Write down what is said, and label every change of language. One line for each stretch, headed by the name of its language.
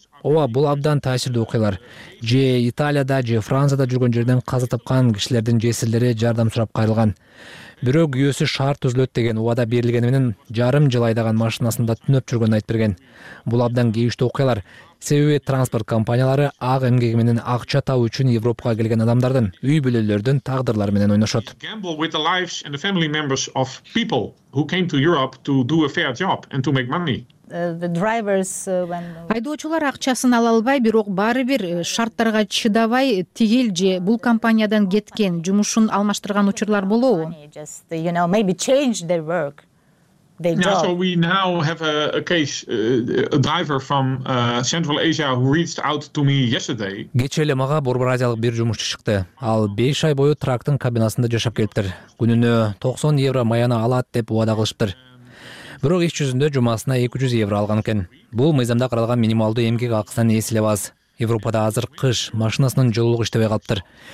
Kyrgyz: Ооба, бул абдан таасирдүү окуялар. Же Италияда, же Францияда жүргөн жерден каза тапкан кишилердин жесирлери жардам сурап кайрылган. Бирок күйөөсү шарт түзүлөт деген убада берилгени менен жарым жыл айдаган машинасында түнөп жүргөнүн айтып берген. Бул абдан кейиштүү окуялар. Себеби транспорт компаниялары ак эмгеги менен акча табуу үчүн Европага келген адамдардын, үй бүлөлөрдүн тагдырлары менен ойношот.
English: Gamble with the lives and the family members of people who came to Europe to do a fair job and to make money. The drivers
Kyrgyz: айдоочулар акчасын ала албай, бирок баары бир шарттарга чыдабай тигил же бул компаниядан кеткен, жумушун алмаштырган учурлар болобу?
English: You know, maybe change their work. Now, so we now have a case, a driver from Central Asia who reached out to me yesterday.
Kyrgyz: Кечээ эле мага борбораазиялык бир жумушчу чыкты. Ал 5 ай бою трактын кабинасында жашап келиптир. Күнүнө 90 евро маяна алат деп убада кылышыптыр. Бирок иш жүзүндө жумасына 200 евро алган экен. Бул мыйзамда каралган минималдуу эмгек акысынан эс элебиз. Европада азыр кыш, машинасынын жылуулугу иштебей калыптыр.